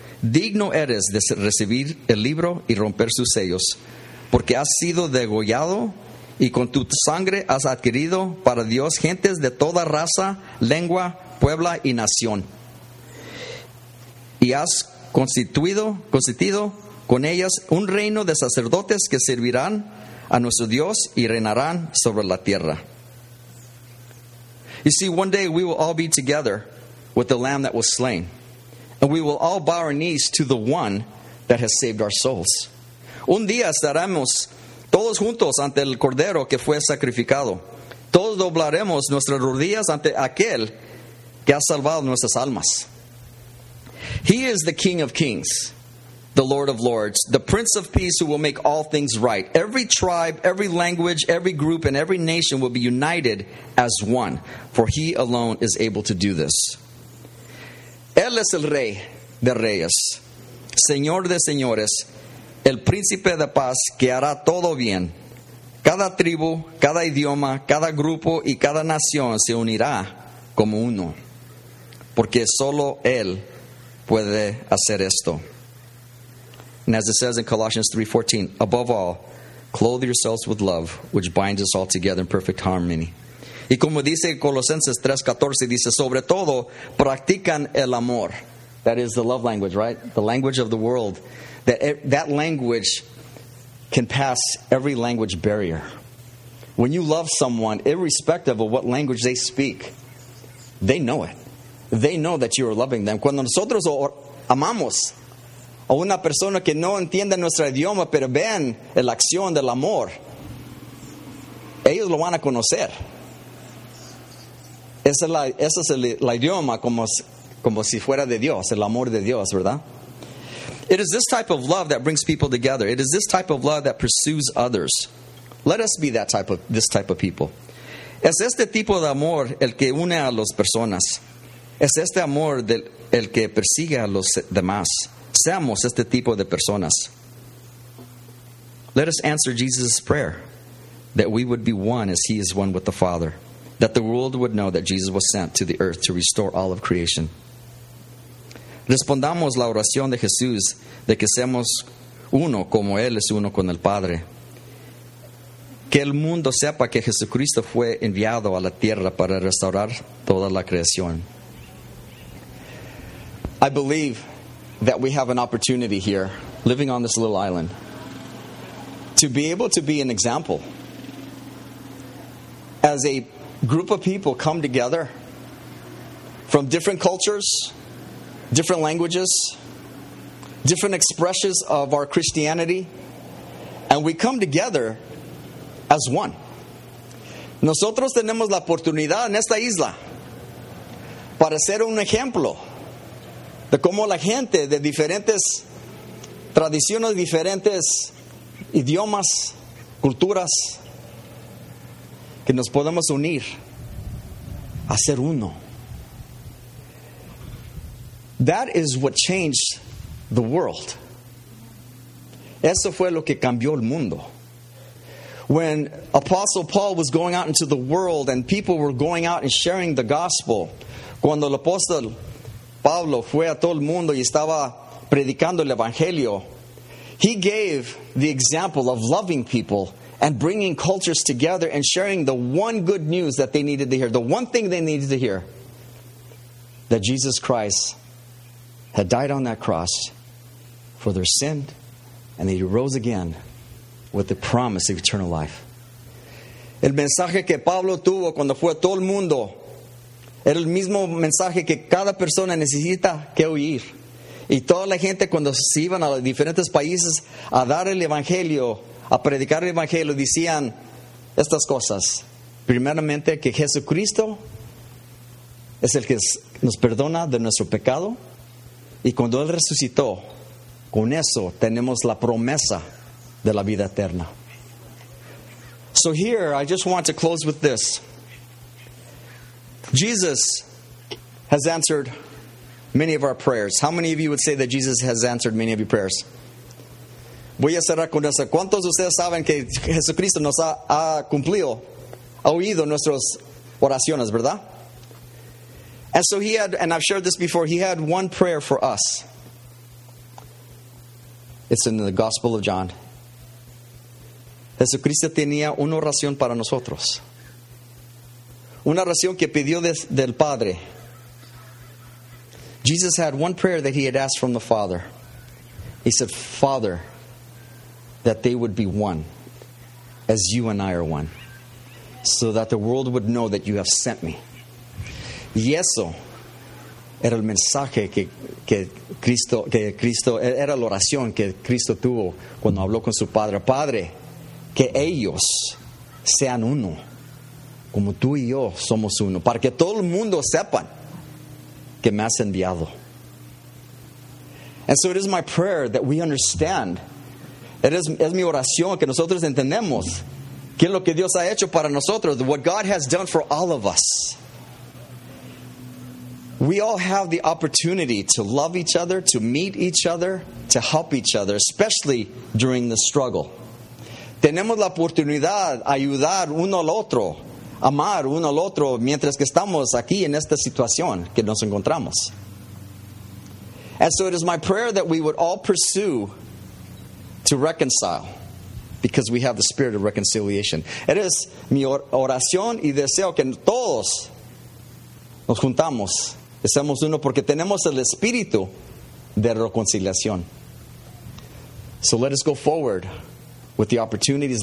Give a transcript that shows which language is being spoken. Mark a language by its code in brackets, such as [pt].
[es] Digno eres de recibir el libro y romper sus sellos, porque has sido degollado y con tu sangre has adquirido para Dios gentes de toda raza, lengua, puebla y nación. Y has constituido con ellas un reino de sacerdotes que servirán a nuestro Dios y reinarán sobre la tierra. [en] You see, one day we will all be together with the Lamb that was slain, and we will all bow our knees to the one that has saved our souls. [es] Un día estaremos todos juntos ante el Cordero que fue sacrificado. Todos doblaremos nuestras rodillas ante aquel que ha salvado nuestras almas. [en] He is the King of Kings, the Lord of Lords, the Prince of Peace who will make all things right. Every tribe, every language, every group, and every nation will be united as one, for He alone is able to do this. [es] Él es el Rey de Reyes, Señor de Señores, el Príncipe de Paz que hará todo bien. Cada tribu, cada idioma, cada grupo y cada nación se unirá como uno, porque solo Él puede hacer esto. [en] And as it says in Colossians 3:14, above all, clothe yourselves with love, which binds us all together in perfect harmony. [es] Y como dice Colosenses 3:14, dice, sobre todo, practican el amor. [en] That is the love language, right? The language of the world. That language can pass every language barrier. When you love someone, irrespective of what language they speak, they know it. They know that you are loving them. [es] Cuando nosotros amamos a una persona que no entiende nuestro idioma, pero ven la acción del amor, ellos lo van a conocer. Ese es el idioma como si fuera de Dios, el amor de Dios, ¿verdad? [en] It is this type of love that brings people together. It is this type of love that pursues others. Let us be this type of people. [es] Es este tipo de amor el que une a las personas. Es este amor el que persigue a los demás. Seamos este tipo de personas. [en] Let us answer Jesus' prayer that we would be one as He is one with the Father, that the world would know that Jesus was sent to the earth to restore all of creation. [es] Respondamos la oración de Jesús de que seamos uno como Él es uno con el Padre. Que el mundo sepa que Jesucristo fue enviado a la tierra para restaurar toda la creación. [en] I believe that we have an opportunity here, living on this little island, to be able to be an example. As a group of people come together from different cultures, different languages, different expressions of our Christianity, and we come together as one. [es] Nosotros tenemos la oportunidad en esta isla para ser un ejemplo de cómo la gente de diferentes tradiciones, diferentes idiomas, culturas, que nos podemos unir a ser uno. [en] That is what changed the world. [es] Eso fue lo que cambió el mundo. [en] When Apostle Paul was going out into the world and people were going out and sharing the gospel, [es] cuando el apóstol Pablo fue a todo el mundo y estaba predicando el evangelio, [en] he gave the example of loving people and bringing cultures together and sharing the one good news that they needed to hear, the one thing they needed to hear, that Jesus Christ had died on that cross for their sin, and He rose again with the promise of eternal life. [es] El mensaje que Pablo tuvo cuando fue a todo el mundo era el mismo mensaje que cada persona necesita que oír. Y toda la gente cuando se iban a los diferentes países a dar el evangelio, a predicar el evangelio, decían estas cosas. Primeramente, que Jesucristo es el que nos perdona de nuestro pecado. Y cuando Él resucitó, con eso tenemos la promesa de la vida eterna. [en] So here, I just want to close with this. Jesus has answered many of our prayers. How many of you would say that Jesus has answered many of your prayers? [es] Voy a cerrar con eso. ¿Cuántos de ustedes saben que Jesucristo nos ha cumplido, ha oído nuestras oraciones, verdad? [en] And so he had, and I've shared this before, he had one prayer for us. It's in the Gospel of John. [es] Jesucristo tenía una oración para nosotros. Una oración que pidió del Padre. [en] Jesus had one prayer that he had asked from the Father. He said, Father, that they would be one, as you and I are one, so that the world would know that you have sent me. [es] Y eso era el mensaje que Cristo, era la oración que Cristo tuvo cuando habló con su Padre. Padre, que ellos sean uno, como tú y yo somos uno, para que todo el mundo sepan que me has enviado. [en] And so it is my prayer that we understand. [es] Es mi oración que nosotros entendemos qué es lo que Dios ha hecho para nosotros, [en] what God has done for all of us. We all have the opportunity to love each other, to meet each other, to help each other, especially during the struggle. [es] Tenemos la oportunidad de ayudar uno al otro, amar uno al otro, mientras que estamos aquí en esta situación que nos encontramos. [en] And so it is my prayer that we would all pursue to reconcile, because we have the spirit of reconciliation. It is [es] mi oración y deseo que todos nos juntamos, estemos uno, porque tenemos el espíritu de reconciliación. [en] So let us go forward with the opportunities.